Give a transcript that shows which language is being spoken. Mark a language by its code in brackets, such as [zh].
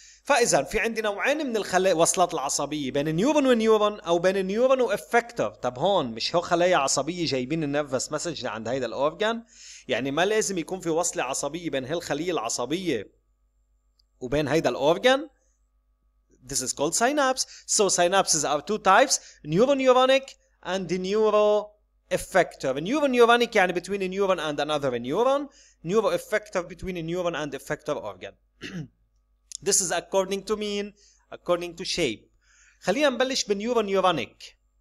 [ar] فإذا في عندي نوعين من الخلايا وصلات العصبية بين نيورون ونيورون أو بين نيورون وإفكتور طب هون مش هو خلايا عصبية جايبين النيرفس مسج عند هيدا الأورجان يعني ما لازم يكون في وصلة عصبية بين هالخلية العصبية وبين هيدا الأورجان [en] This is called synapse. So synapses are two types, neuroneuronic and the neuro-effector. A neuroneuronic can be between a neuron and another neuron. Neuro-effector between a neuron and effector organ. This is according to mean, according to shape. [ar] خلينا نبلش بالنيورونيورونيك.